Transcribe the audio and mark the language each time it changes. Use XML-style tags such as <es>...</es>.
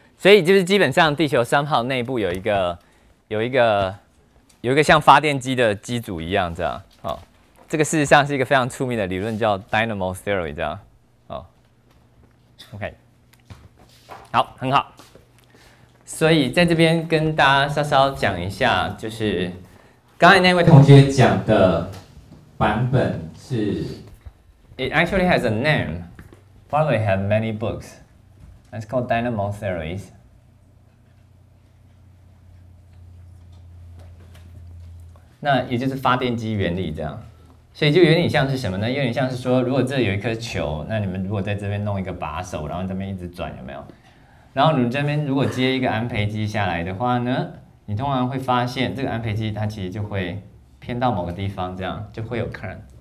<zh>所以就是基本上地球三号内部有一个像发电机的机组一样这样，哦，这个事实上是一个非常出名的理论叫 Dynamo Theory 这样，哦 ，OK， 好，很好。所以在这边跟大家稍稍讲一下，就是刚才那位同学讲的版本是 ， It actually has a name， probably have many books。</zh> <en>It's called Dynamo Theories.</en> <zh>That 也就是发电机原理这样，所以就有点像是什么呢？有点像是说，如果这里有一颗球，那你们如果在这边弄一个把手，然后这边一直转，有没有？然后你们这边如果接一个安培机下来的话呢，你通常会发现这个安培机它其实就会偏到某个地方，这样就会有 current。</zh>